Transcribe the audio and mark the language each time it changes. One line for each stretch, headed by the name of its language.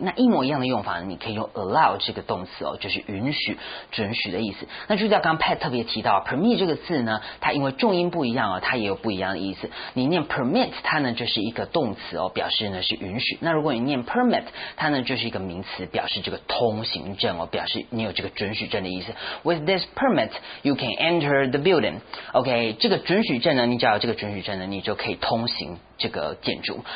Chinese: 那一模一样的用法呢你可以用 allow 这个动词哦，就是允许、准许的意思。那就像刚刚 Pat 特别提到 permit 这个字呢，它因为重音不一样哦，它也有不一样的意思。你念 permit 它呢就是一个动词哦，表示呢是允许。那如果你念 permit 它呢就是一个名词，表示这个通行证哦，表示你有这个准许证的意思。
English: With this permit, you can enter the building.
Chinese: Okay, 这个准许证呢，你只要有这个准许证呢，你就可以通行这个建筑。